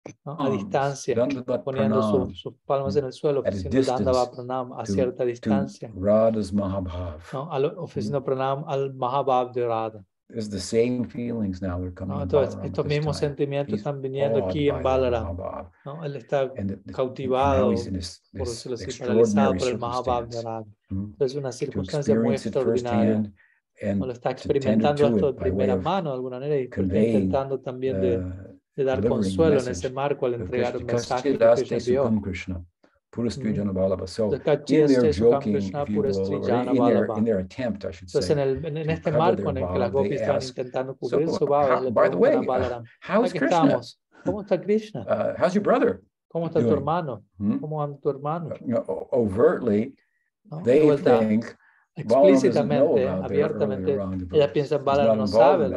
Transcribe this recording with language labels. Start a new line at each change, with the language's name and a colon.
Spanish: A distancia, poniendo sus palmas en el suelo, dando a pranam a cierta distancia.
English: Radha's Mahabhav.
Spanish: Ofreciendo pranam al Mahabhav de Radha.
English: It's the same feelings now that are coming in Balaram.
Spanish: Estos mismos sentimientos están viniendo aquí en Balaram. Él está cautivado, por decirlo así, paralizado por el Mahabhav de Radha. Es una circunstancia muy extraordinaria. Lo está experimentando esto de primera mano, de alguna manera, y está intentando también de dar consuelo en ese marco al entregar un mensaje a Krishna. Purastrijana Balabha.
English: So, in their joking, if you will, or in their attempt, I should say,
Spanish: en este marco en que las gopis están intentando cubrir su bhava,
English: by the way, how is Krishna?
Spanish: ¿Cómo está Krishna?
English: How's your brother?
Spanish: ¿Cómo está tu hermano? ¿Cómo anda tu hermano?
English: Overtly, they think
Spanish: explicitamente, abiertamente, ella piensa en Balaram, no sabe.